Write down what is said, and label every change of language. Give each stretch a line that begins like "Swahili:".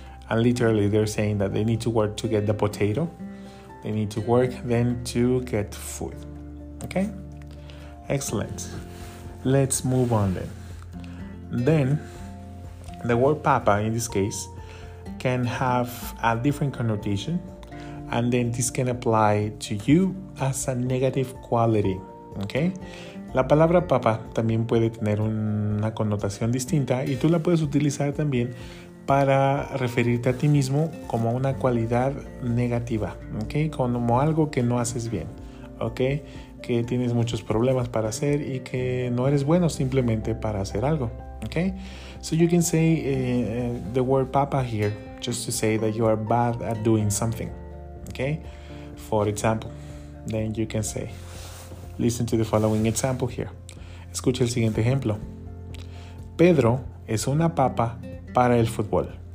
English: And literally, they're saying that they need to work to get the potato. They need to work then to get food, okay? Excellent. Let's move on then. Then, the word papa in this case can have a different connotation, and then this can apply to you as a negative quality, okay?
Spanish: La palabra papa también puede tener una connotación distinta y tú la puedes utilizar también para referirte a ti mismo como una cualidad negativa, okay? Como algo que no haces bien, okay? Que tienes muchos problemas para hacer y que no eres bueno simplemente para hacer algo, okay?
English: So you can say the word papa here just to say that you are bad at doing something, okay? For example, then you can say, listen to the following example here.
Spanish: Escucha el siguiente ejemplo. Pedro es una papa para el fútbol.